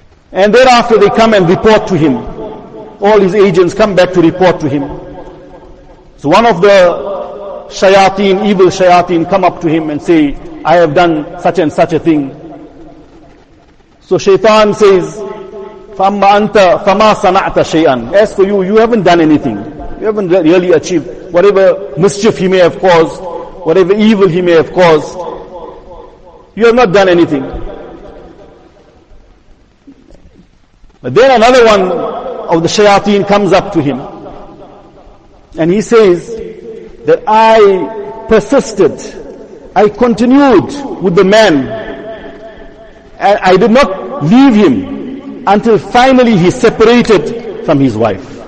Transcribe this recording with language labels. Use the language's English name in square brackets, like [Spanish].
[English] And thereafter they come and report to him. All his agents come back to report to him. So one of the shayateen, evil shayateen, come up to him and say, I have done such and such a thing. So Shaitan says, [Arabic] فَمَّا أَنْتَ فَمَا صَنَعْتَ شَيْئًا. [English] As for you haven't done anything. You haven't really achieved. Whatever mischief he may have caused, whatever evil he may have caused, you have not done anything. But then another one of the shayateen comes up to him. And he says that I persisted, I continued with the man, and I did not leave him until finally he separated from his wife.